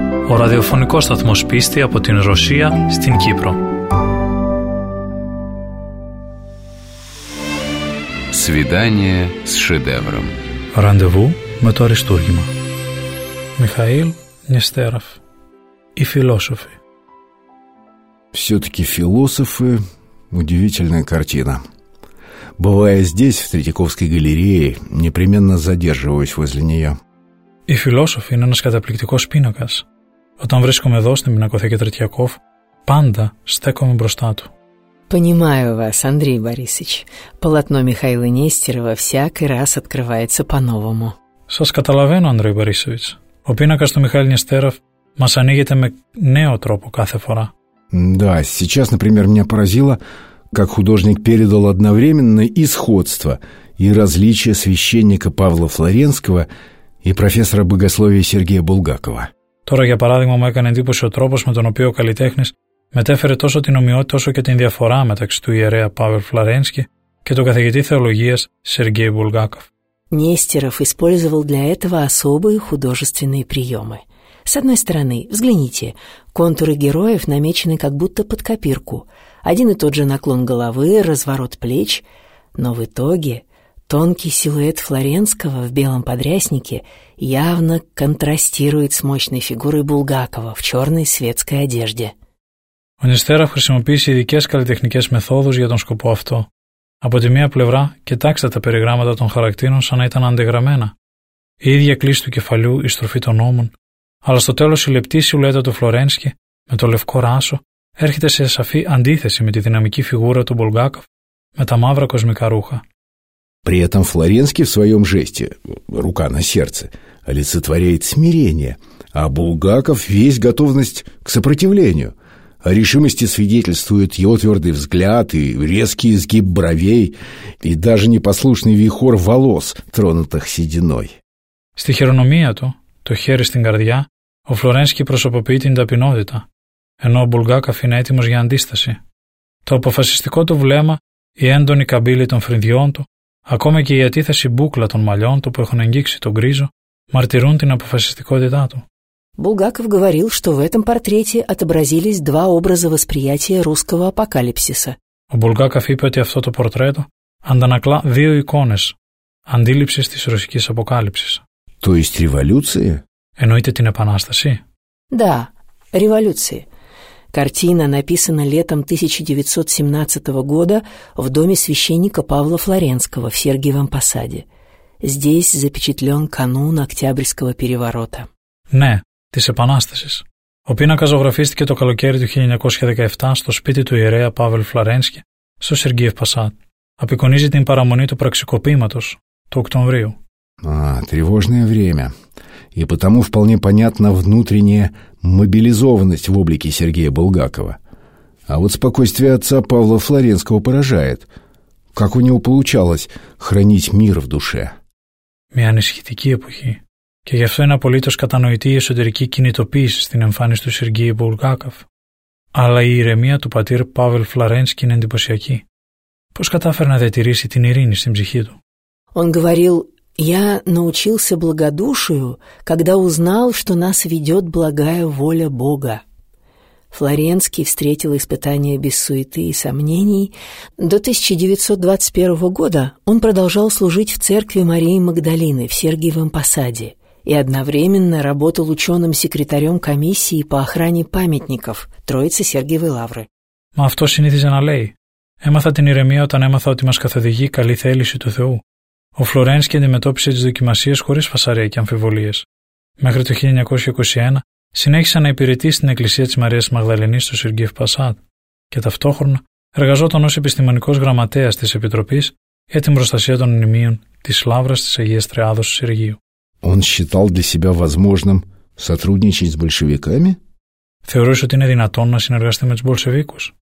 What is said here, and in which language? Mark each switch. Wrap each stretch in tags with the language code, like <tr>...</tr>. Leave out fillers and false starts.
<el>Ο ραδιοφωνικός σταθμός πίστη από την Ρωσία στην Κύπρο.</el> <ru>Свидание с шедевром.</ru> <el>Ραντεβού με το αριστούργημα.</el> <ru>Михаил Нестеров. И философы. Все-таки философы – удивительная картина. Бывая здесь, в Третьяковской галерее, непременно задерживаюсь возле нее.</ru> <el>И философы – είναι ένας καταπληκτικός πίνακας. Όταν βρίσκομαι εδώ, στην Πινακοθήκη Третьяков, πάντα στέκομαι μπροστά του.</el> <ru>Понимаю вас, Андрей Борисович. Полотно Михаила Нестерова всякий раз открывается по-новому.</ru> <el>Σας καταλαβαίνω, Андрей Борисович. Ο πίνακας του Михаила Нестерова μας ανοίγεται με νέο τρόπο κάθε φορά.</el> <ru>Да, сейчас, например, меня поразило, как художник передал одновременно и сходство, и различие священника Павла Флоренского и профессора богословия Сергея Булгакова.</ru> <el>Τώρα, για παράδειγμα, μου έκανε εντύπωση ο τρόπος με τον οποίο ο καλλιτέχνης μετέφερε τόσο την ομοιότητα όσο και την διαφορά μεταξύ του ιερέα Παύλ Φλαρένσκι και του καθηγητή θεολογίας Σεργέη Μπουλγάκοφ.</el> <ru>Нестеров использовал для этого особые художественные приемы. С одной стороны, взгляните, контуры героев намечены как будто под копирку. Один и тот же наклон головы, разворот плеч. Но в итоге тонкий силуэт Флоренского в белом подряснике явно контрастирует с мощной фигурой Булгакова в черной светской одежде.</ru> <el>Ο Нестеров χρησιμοποίησε ειδικές καλλιτεχνικές μεθόδους για τον σκοπό αυτό. Από τη μία πλευρά, κοιτάξτε τα περιγράμματα των χαρακτήρων σαν να ήταν αντιγραμμένα. Η ίδια κλίση του κεφαλιού, η στροφή των ώμων. Αλλά στο τέλος η λεπτή σιλουέτα του Φλορένσκι με το λευκό ράσο έρχεται σε σαφή αντίθεση με τη δυναμική φιγούρα του Μπουλγάκοφ με τα μαύρα κοσμικά ρούχα.</el> <ru>При этом Флоренский в своем жесте, рука на сердце, олицетворяет смирение, а Булгаков весь готовность к сопротивлению. О решимости свидетельствует его твердый взгляд и резкий изгиб бровей и даже непослушный вихор волос, тронутых сединой.</ru> <el>Στη χειρονομία του, το χέρι στην καρδιά, ο Φλορένσκι προσωποποιεί την ταπεινότητα, ενώ ο Μπουλγάκοφ είναι έτοιμος για αντίσταση. Το αποφασιστικό του βλέμμα, η έντονη καμπύλη των φρυδιών του, ακόμα και η ατίθεση μπούκλα των μαλλιών του που έχουν αγγίξει τον γκρίζο, μαρτυρούν την αποφασιστικότητά του.</el> <ru>Булгаков говорил, что в этом портрете отобразились два образа восприятия русского апокалипсиса.</ru> <el>Ο Булгаков είπε ότι αυτό το πορτρέτο αντανακλά δύο εικόνες αντίληψης της ρωσικής αποκάλυψης.</el> <ru>То есть революция?</ru> <el>Εννοείται την επανάσταση?</el> <ru>Да, революция. Картина написана летом 1917 года в доме священника Павла Флоренского в Сергиевом Посаде. Здесь запечатлен канун Октябрьского переворота.</ru> <el>Ναι, της επανάστασης. Ο πίνακας ζωγραφίστηκε το καλοκαίρι του 1917 στο σπίτι του ιερέα Παύλ Φλαρένσκι στο Σεργίεφ Πασάτ. Απεικονίζει την παραμονή του πραξικοπήματος του Οκτωβρίου.</el> <ru>Α, тревожное время. И потому вполне понятна внутренняя мобилизованность в облике Сергея Булгакова. А вот спокойствие отца Павла Флоренского поражает. Как у него получалось хранить мир в душе?</ru> <el>Μια ανησυχητική εποχή. Και γι' αυτό είναι απολύτως κατανοητή η εσωτερική κινητοποίηση στην εμφάνιση του Σεργίη Μπουλγάκοφ. Αλλά η ηρεμία του πατήρ Παύλ Φλαρένσκι είναι εντυπωσιακή. Πώς κατάφερε να διατηρήσει την ειρήνη στην ψυχή του?</el> <ru>Он говорил: «Я научился благодушию, когда узнал, что нас ведет благая воля Бога». Флоренский встретил испытания без суеты и сомнений. До 1921 года он продолжал служить в церкви Марии Магдалины в Сергиевом Посаде и одновременно работал ученым-секретарем комиссии по охране памятников Троицы Сергиевой Лавры. Но авто синитизе на лей.</ru> <el>Эмаθα την ηρεμία όταν έμαθα ότι μας καθοδηγεί καλή θέληση του Θεού. Ο Φλορένσκι αντιμετώπισε τις δοκιμασίες χωρίς φασαρία και αμφιβολίες. Μέχρι το 1921 συνέχισε να υπηρετεί στην Εκκλησία της Μαρίας Μαγδαληνής στο Σεργίεφ Πασάτ και ταυτόχρονα εργαζόταν ως επιστημονικός γραμματέας της Επιτροπής για την προστασία των μνημείων της Λαύρας της Αγίας Τριάδος του Σεργίου.</el> <ru>Он считал для себя возможным сотрудничать с большевиками?</ru> <el>Θεωρούσε ότι είναι δυνατόν να συνεργαστεί με τους Μπολσεβίκους.</el>